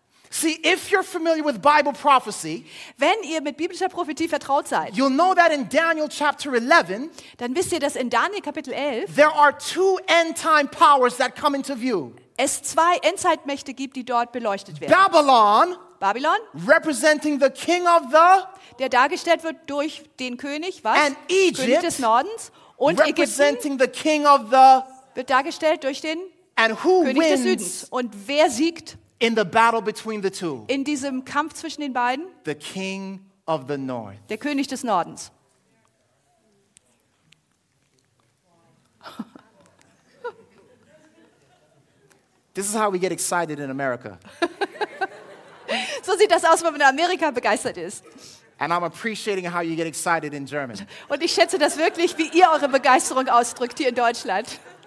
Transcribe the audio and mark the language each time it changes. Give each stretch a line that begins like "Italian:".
English: See, if you're familiar with Bible prophecy,
German: wenn ihr mit biblischer Prophetie vertraut seid,
English: you'll know that in Daniel chapter 11,
German: dann wisst ihr, dass in Daniel Kapitel 11,
English: there are two end-time powers that come into view.
German: Es zwei Endzeitmächte gibt, die dort beleuchtet werden.
English: Babylon,
German: Babylon,
English: representing the king of the,
German: der dargestellt wird durch den König, was?
English: And Egypt,
German: König des Nordens, und
English: representing
German: Ägypten,
English: the king of the,
German: wird dargestellt durch den,
English: and who
German: König
English: wins
German: des Südens. Und wer siegt
English: in the battle between the two?
German: In diesem Kampf zwischen den beiden?
English: The king of the north.
German: Der König des Nordens.
English: This is how we get excited in America.
German: So sieht das aus, wenn man in Amerika begeistert ist.
English: And I'm appreciating how you get excited in German.
German: Und ich schätze das wirklich, wie ihr eure Begeisterung ausdrückt hier in Deutschland.